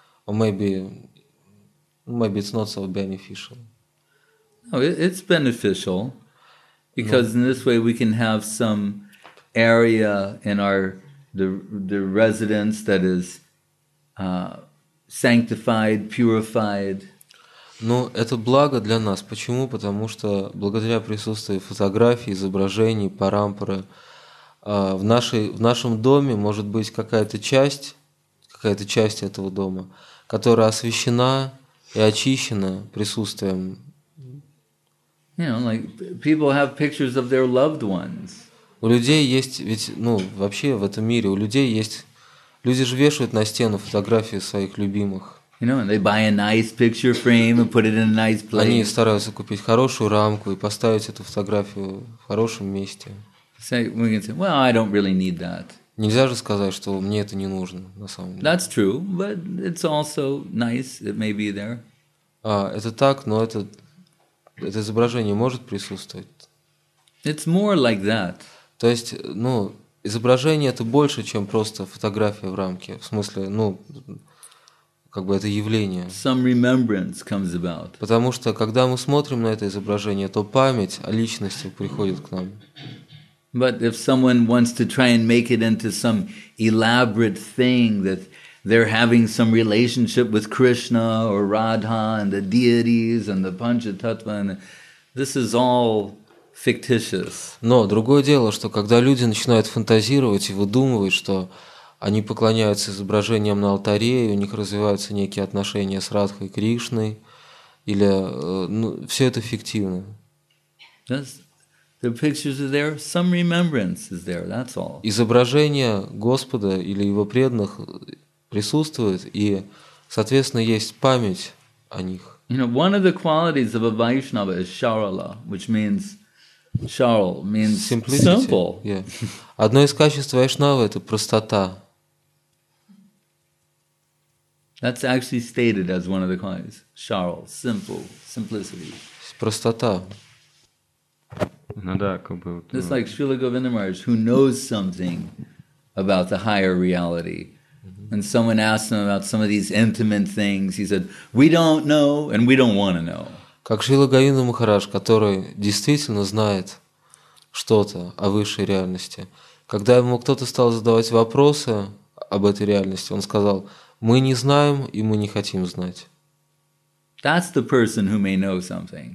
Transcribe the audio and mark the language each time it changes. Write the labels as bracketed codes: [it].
[en] Or maybe it's not so beneficial? No, it's beneficial because in this way we can have some area in our the residence that is sanctified, purified. [ru] Ну, это благо для нас. Почему? Потому что благодаря присутствию фотографий, изображений, парампары в нашем доме может быть какая-то часть этого дома, которая освящена и очищена присутствием. [en] You know, like people have pictures of their loved ones. [ru] У людей есть, ведь, ну, вообще в этом мире, у людей есть, люди же вешают на стену фотографии своих любимых. [en] You know, and they buy a nice picture frame and put it in a nice place. [ru] Они стараются купить хорошую рамку и поставить эту фотографию в хорошем месте. [en] Say, we can say, well, I don't really need that. [ru] Нельзя же сказать, что мне это не нужно на самом деле. [en] That's true, but it's also nice. It may be there. [ru] А, это так, но это изображение может присутствовать. [en] It's more like that. [ru] То есть, ну, изображение это больше, чем просто фотография в рамке. В смысле, ну, как бы это явление. [en] Some remembrance comes about. [ru] Потому что когда мы смотрим на это изображение, то память о личности приходит к нам. [en] But if someone wants to try and make it into some elaborate thing that they're having some relationship with Krishna or Radha and the deities and the Panchatattva, this is all fictitious. [ru] Но другое дело, что когда люди начинают фантазировать и выдумывать, что они поклоняются изображениям на алтаре, и у них развиваются некие отношения с Радхой Кришной, или ну, все это фиктивно. [en] The pictures are there, some remembrance is there, that's all. [ru] Изображение Господа или его преданных присутствует, и, соответственно, есть память о них. [en] You know, one of the qualities of a Vaishnava is Sharala, which means Sharal means simplicity. Simple. Yeah. [ru] Одно из качеств Вайшнавы — это простота. [en] That's actually stated as one of the qualities. Sharal, simple, simplicity. [ru] Простота. Ну да, как бы. [en] It's like Srila Govinda Maharaj, who knows something about the higher reality. And someone asked him about some of these intimate things. He said, "We don't know, and we don't want to know." [ru] Как Шрила Говинда Махарадж, который действительно знает что-то о высшей реальности. Когда ему кто-то стал задавать вопросы об этой реальности, он сказал: мы не знаем, и мы не хотим знать. [en] That's the person who may know something.